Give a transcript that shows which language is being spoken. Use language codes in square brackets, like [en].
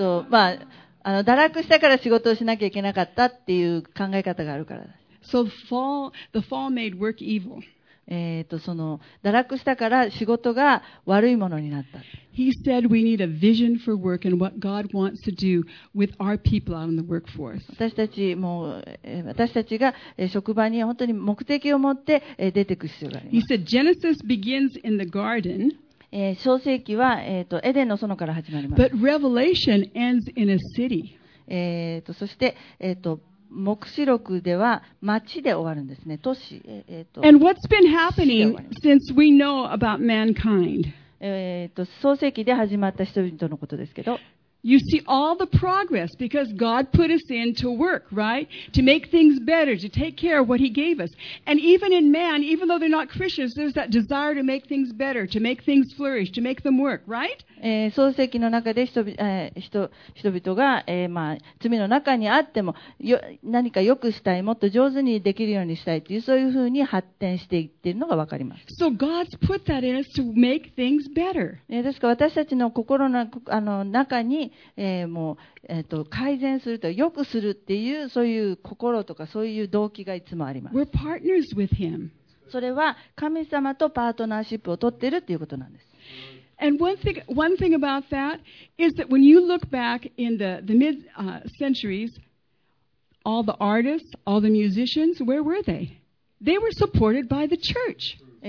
[ja] まあ、あの、堕落したから仕事をしなきゃいけなかったっていう考え方があるから。 [en] So the fall made work evil. [ja] その堕落したから仕事が悪いものになった。 [en] He said we need a vision for work and what God wants to do with our people out in the workforce. [ja] 私たちが職場に本当に目的を持って出てく必要があります。 [en] He said Genesis begins in the garden. [ja] 創世記は、エデンの園から始まります。 [en] But Revelation ends in a city. [ja] そして、黙示録では町で終わるんですね。都市。 [en] And what's been happening since we know about mankind? [ja] 創世記で始まった人々のことですけど。 [en] You see all the progress because God put us in to work, right? To make things better, to take care of what He gave us. And even in man, even though they're not Christians, there's that desire to make things better, to make things flourish, to make them work, right? [ja] 創世記の中で人々が、まあ、罪の中にあっても、何か良くしたい、もっと上手にできるようにしたいという、そういうふうに発展していっているのが分かります。 [en] So God's put that in us to make things better. [ja] ですから私たちの心の、あの中に、もう、改善すると良くするっていう、そういう心とかそういう動機がいつもあります。 [en] We're partners with Him. [ja] それは神様とパートナーシップを取っているということなんです。 [en] And one thing about that is that when you look back in the mid centuries, all the artists, all the musicians, where were they? They were supported by the church.